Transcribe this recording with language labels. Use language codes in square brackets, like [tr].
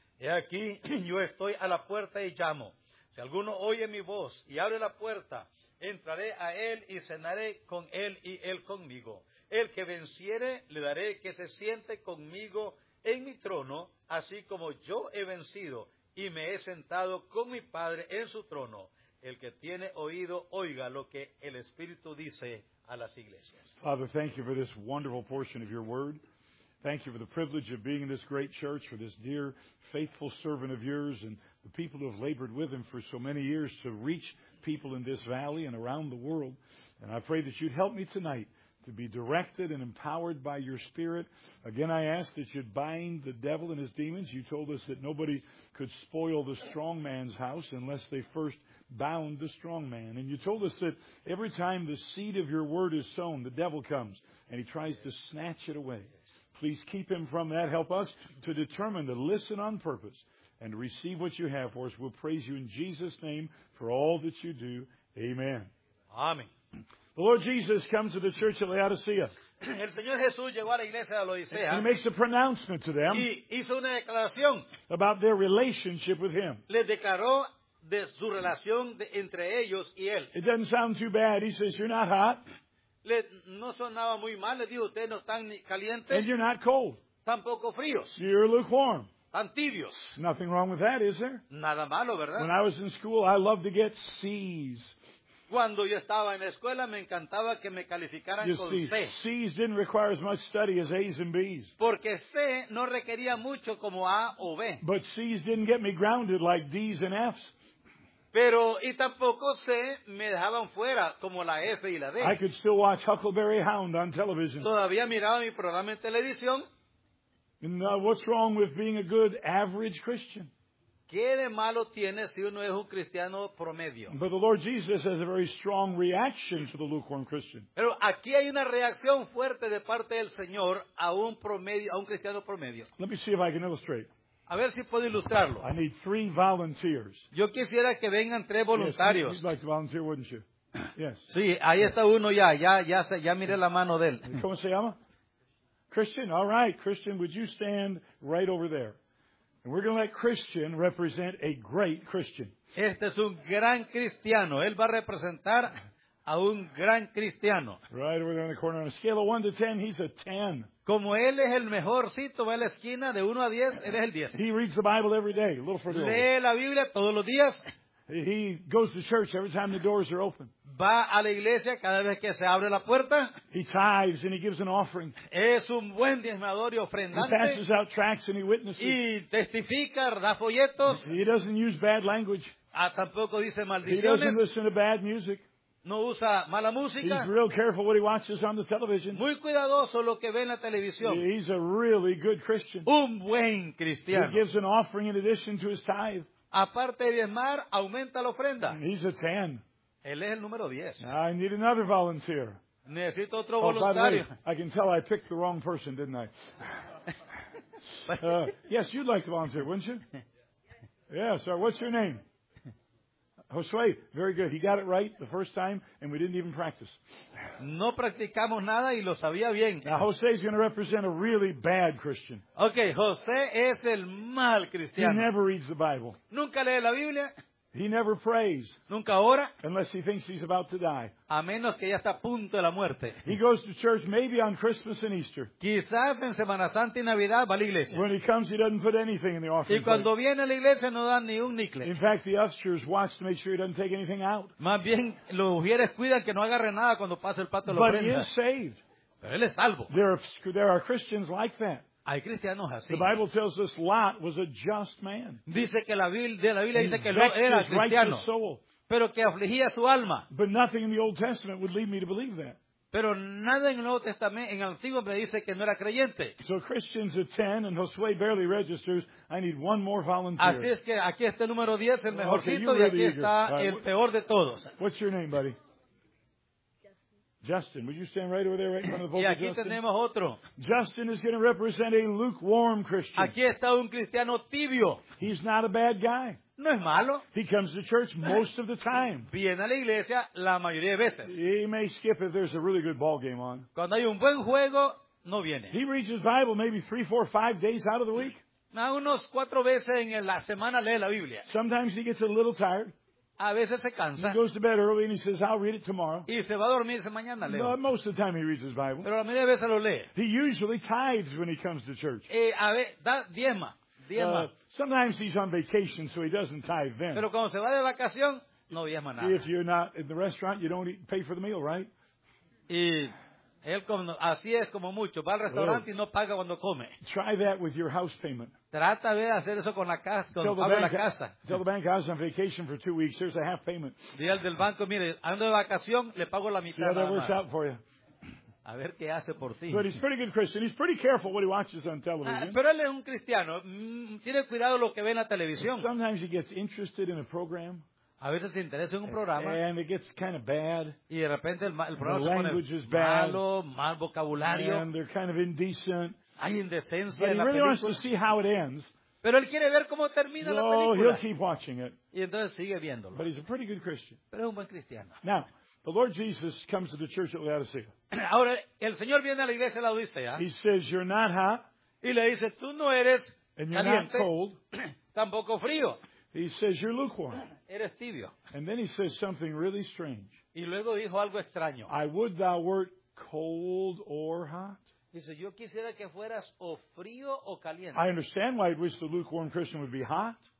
[es] He aquí, yo estoy a la puerta y llamo. Si alguno oye mi voz y abre la puerta, entraré a él y cenaré con él y él conmigo. El que venciere, le daré que se siente conmigo en mi trono, así como yo he vencido y me he sentado con mi Padre en su trono. El que tiene oído, oiga lo que el Espíritu dice a las iglesias. [en] Father, thank you for this wonderful portion of your word. Thank you for the privilege of being in this great church, for this dear, faithful servant of yours, and the people who have labored with him for so many years to reach people in this valley and around the world. And I pray that you'd help me tonight to be directed and empowered by your Spirit. Again, I ask that you'd bind the devil and his demons. You told us that nobody could spoil the strong man's house unless they first bound the strong man. And you told us that every time the seed of your word is sown, the devil comes and he tries to snatch it away. Please keep him from that. Help us to determine to listen on purpose and receive what you have for us. We'll praise you in Jesus' name for all that you do. Amen. Amen. The Lord Jesus comes to the church at Laodicea. [es] El Señor Jesús llegó a la iglesia de Laodicea. [en] And he makes a pronouncement to them. [es] Y hizo una declaración. [en] About their relationship with him. [es] Les declaró de su relación de, entre ellos y él. [en] It doesn't sound too bad. He says, you're not hot. [es] Le, no sonaba muy mal. Le dijo, ustedes no están calientes. [en] And you're not cold. [es] Tampoco fríos. [en] You're lukewarm. [es] Antibios. [en] Nothing wrong with that, is there? [es] Nada malo, ¿verdad? [en] When I was in school, I loved to get C's. [es] Cuando yo estaba en la escuela, me encantaba que me calificaran [en] you [es] con [en] see, [es] C. [en] C's didn't require as much study as A's and B's. [es] Porque C no requería mucho como A o B. [en] But C's didn't get me grounded like D's and F's. [es] Pero, y tampoco C me dejaban fuera como la F y la D. [en] I could still watch Huckleberry Hound on television. [es] Todavía miraba mi programa en televisión. [en] And what's wrong with being a good average Christian? [es] ¿Qué de malo tiene si uno es un cristiano promedio? [en] But the Lord Jesus has a very strong reaction to the lukewarm Christian. [es] Pero aquí hay una reacción fuerte de parte del Señor a un promedio, a un cristiano promedio. [en] Let me see if I can illustrate. [es] A ver si puedo ilustrarlo. [en] I need three volunteers. [es] Yo quisiera que vengan tres voluntarios. [en] Yes, you'd like to volunteer, wouldn't you? Yes. [es] Sí, ahí está uno ya. Ya miré la mano de él. ¿Cómo se llama? Christian, [en] all right. Christian, would you stand right over there? And we're going to let Christian represent a great Christian. [es] Este es un gran cristiano. Él va a representar a un gran cristiano. [en] Right over there in the corner. On a scale of 1 to 10, he's a 10. [es] Como él es el mejorcito, va a la esquina de 1 a 10, él es el 10. [en] He reads the Bible every day, a little further. [es] Lee la Biblia todos los días. [en] He goes to church every time the doors are open. [es] Va a la iglesia cada vez que se abre la puerta. [en] He tithes and he gives an offering. [es] Es un buen diezmador y ofrendante. [en] He passes out tracts and he witnesses. [es] Y testifica, da folletos. [en] He doesn't use bad language. [es] Tampoco dice maldiciones. [en] He doesn't listen to bad music. [es] No usa mala música. [en] He's real careful what he watches on the television. [es] Muy cuidadoso lo que ve en la televisión. [en] He's a really good Christian. [es] Un buen cristiano. [en] He gives an offering in addition to his tithe. [es] Aparte de diezmar, aumenta la ofrenda. [en] He's a 10. [es] Él es el número 10. [en] I need another volunteer. [es] Necesito otro voluntario. [en] Oh, by the way, I can tell I picked the wrong person, didn't I? yes, you'd like to volunteer, wouldn't you? Yeah, sir. What's your name? Josué. Very good. He got it right the first time, and we didn't even practice. [es] No practicamos nada y lo sabía bien. [en] Now, José is going to represent a really bad Christian. [es] Okay, José es el mal cristiano. [en] He never reads the Bible. [es] Nunca lee la Biblia. [en] He never prays. [es] Nunca ora. [en] Unless he thinks he's about to die. [es] A menos que ya está a punto de la muerte. [en] He goes to church maybe on Christmas and Easter. [es] Quizás en Semana Santa y Navidad va a la iglesia. [en] When he comes, he doesn't put anything in the offering. [es] Y cuando [en] plate. [es] Viene a la iglesia no dan ni un nickel. [en] In fact, the ushers watch to make sure he doesn't take anything out. [es] Más bien los ushers cuidan que no agarre nada cuando pase el pato de la [en] ofrenda. But he is saved. [es] Pero él es salvo. [en] There are Christians like that. [es] Hay cristianos así. [en] The Bible tells us Lot was a just man. [es] Dice que la Biblia dice que Lot era cristiano. Pero que afligía su alma. [en] But nothing in the Old Testament would lead me to believe that. [es] Pero nada en el Nuevo Testamento, en el Antiguo me dice que no era creyente. [en] So Christian's a 10 and Josué barely registers. I need one more volunteer. [es] Así es que aquí está el número 10, el mejorcito, [en] okay, really [es] y aquí está [en] right, [es] el peor de todos. [en] What's your name, buddy? Justin, would you stand right over there, right in front of the pulpit? [es] Y aquí tenemos otro. [en] Justin is going to represent a lukewarm Christian. [es] Aquí está un cristiano tibio. [en] He's not a bad guy. [es] No es malo. [en] He comes to church most of the time. [es] Viene a la iglesia la mayoría de veces. [en] He may skip if there's a really good ball game on. [es] Cuando hay un buen juego, no viene. [en] He reads his Bible maybe 3, 4, 5 days out of the week. [es] A unos 4 veces en la semana lee la Biblia. [en] Sometimes he gets a little tired. [es] A veces se cansa. [en] He goes to bed early and he says, I'll read it tomorrow. [es] Y se va a dormir, se mañana leo. [en] No, most of the time he reads his Bible. [es] Pero la mayoría de veces lo lee. [en] He usually tithes when he comes to church. [es] Diezma. [en] Sometimes he's on vacation, so he doesn't tithe then. [es] Pero cuando se va de vacación, no diezma nada. [en] If you're not in the restaurant, you don't pay for the meal, right? [es] Y él como, así es como mucho. Va al restaurante y no paga cuando come. [en] Try that with your house payment. [es] Trata de hacer eso con la casa, con el pago de la casa. [en] Tell the bank I was on vacation for 2 weeks. Here's a half payment. [es] Dile al del banco, mire, ando de vacación, le pago la mitad. [en] See how that works out for you. [es] A ver qué hace por ti. [en] But he's a pretty good Christian. He's pretty careful what he watches on television. [es] Pero él es un cristiano. Tiene cuidado lo que ve en la televisión. [en] Sometimes he gets interested in a program. [es] A veces se interesa en un programa. [en] And it gets kind of bad. [es] Y de repente el programa se pone malo, mal vocabulario. [en] And they're kind of indecent. [es] Hay indecencia en la película. [en] Wants to see how it ends. [es] Pero él quiere ver cómo termina no, la película. [en] He'll keep watching it. [es] Y entonces sigue viéndolo. [en] But he's a pretty good Christian. [es] Pero es un buen cristiano. [en] Now, The Lord Jesus comes to the church at Laodicea. [es] Ahora, el Señor viene a la iglesia de Laodicea. [en] He says, you're not hot. [es] Y le dice, tú no eres [en] and you're [es] caliente, [en] not cold. [es] Tampoco frío. [en] He says, you're lukewarm. [es] Eres tibio. [en] And then he says something really strange. [es] Y luego dijo algo extraño. [en] I would thou wert cold or hot. [es] Dice, yo quisiera que fueras o frío o caliente. [en] I understand why he wished the lukewarm Christian would be hot.